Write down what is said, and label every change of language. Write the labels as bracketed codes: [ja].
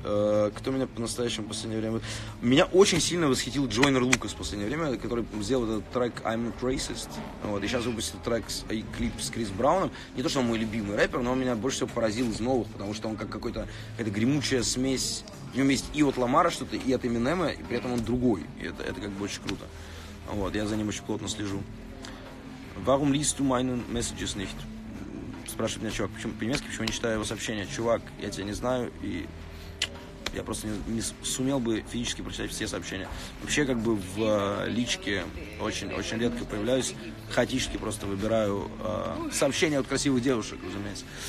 [ru] Кто меня по-настоящему в последнее время... Меня очень сильно восхитил Joyner Lucas в последнее время, который сделал этот трек I'm Not Racist. Вот. И сейчас выпустил трек, клип с Крис Брауном. Не то, что он мой любимый рэпер, но он меня больше всего поразил из новых, потому что он как какая-то гремучая смесь. В нем есть и от Ламара что-то, и от Эминема, и при этом он другой. И это как бы очень круто. Вот. Я за ним очень плотно слежу. [de] Warum liest du meine messages nicht? [ru] Спрашивает меня чувак, почему по-немецки, почему не читаю его сообщения? Чувак, я тебя не знаю, и я просто не сумел бы физически прочитать все сообщения. Вообще, как бы в личке очень редко появляюсь, хаотически просто выбираю сообщения от красивых девушек, разумеется.